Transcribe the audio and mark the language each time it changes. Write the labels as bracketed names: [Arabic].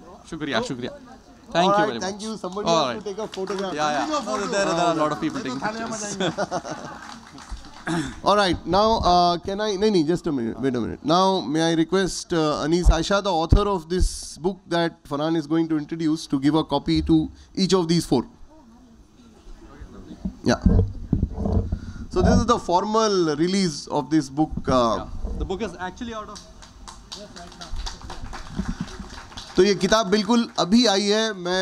[Hindi] शुक्रिया शुक्रिया, [English] Thank you very much, thank you. Somebody take a photograph, there are a lot of people taking pictures. All right, now can I? No, no, just a minute. Wait a minute. Now may I request Anees Ayesha, the author of this book that Farhan is going to introduce, to give a copy to each of these four. Yeah. So this is the formal release of this book. The book is actually out of. [Hindi] तो ये किताब बिल्कुल अभी आई है।